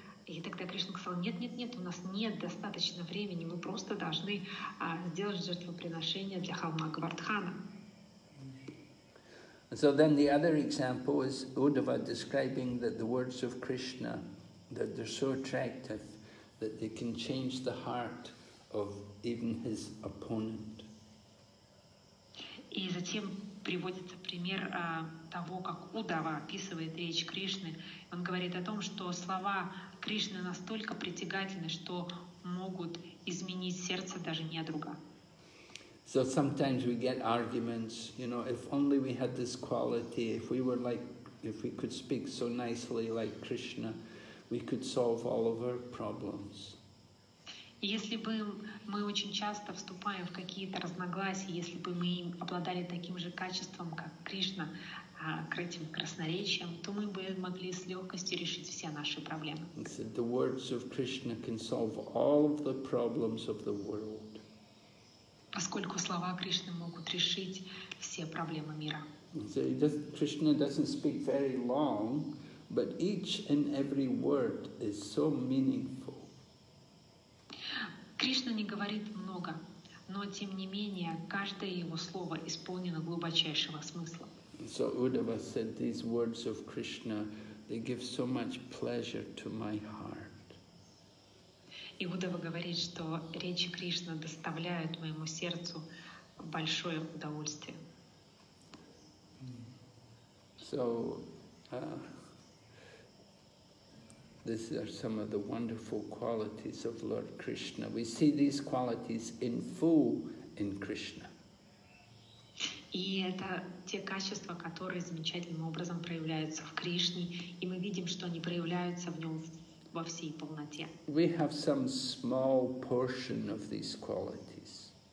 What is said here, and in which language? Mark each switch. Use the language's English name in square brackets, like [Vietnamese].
[Russian] И тогда Кришна сказал, нет, у нас нет достаточно времени, мы просто должны сделать жертвоприношение для холма Говардхана. [English] So then the other example is Uddhava describing that the words of Krishna, that they're so attractive, that they can change the heart of even his opponent. [Russian] И затем приводится пример того, как Удава описывает речь Кришны. Он говорит о том, что слова Кришны настолько притягательны, что могут изменить сердце даже недруга. [English] So sometimes we get arguments, you know, if only we had this quality, if we were like, if we could speak so nicely like Krishna, we could solve all of our problems. [Russian] Если бы мы очень часто вступаем в какие-то разногласия, если бы мы обладали таким же качеством, как Кришна, к этим красноречиям, то мы бы могли с легкостью решить все наши проблемы. [English] He said, the words of Krishna can solve all of the problems of the world. [Russian] Поскольку слова Кришны могут решить все проблемы мира. [English] So Krishna doesn't speak very long, but each and every word is so meaningful. [Russian] Кришна не говорит много, но тем не менее каждое его слово исполнено глубочайшего смысла. [English] So Uddhava said, these words of Krishna, they give so much pleasure to my heart. [Russian] И Уддхава говорит, что речи Кришны доставляют моему сердцу большое удовольствие. [English] So these are some of the wonderful qualities of Lord Krishna. We see these qualities in full in Krishna. [Russian] И это те качества, которые замечательным образом проявляются в Кришне, и мы видим, что они проявляются в нем во всей полноте. [English] We have some small portion of these qualities.